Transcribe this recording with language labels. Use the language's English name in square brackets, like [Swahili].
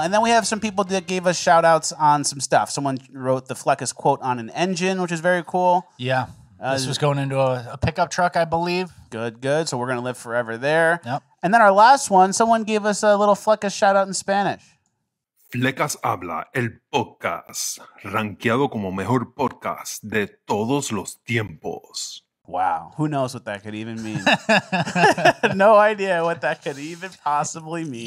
[English] And then we have some people that gave us shout outs on some stuff. Someone wrote the Fleccas quote on an engine, which is very cool. Yeah. This was going into a pickup truck, I believe. Good, good. So we're going to live forever there. Yep. And then our last one, someone gave us a little Fleccas shout out in Spanish. [Spanish] Fleccas habla el podcast, rankeado como mejor podcast de todos los tiempos. [English] Wow. Who knows what that could even mean? No idea what that could even possibly mean.